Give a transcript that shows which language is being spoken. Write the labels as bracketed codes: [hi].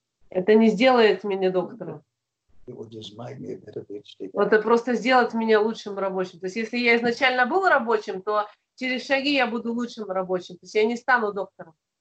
[ru] Это не сделает меня доктором. [en] It would just make me a better bitch digger. [ru] Это просто сделает меня лучшим рабочим. То есть если я изначально был рабочим, то через шаги я буду лучшим рабочим. То есть я не стану доктором.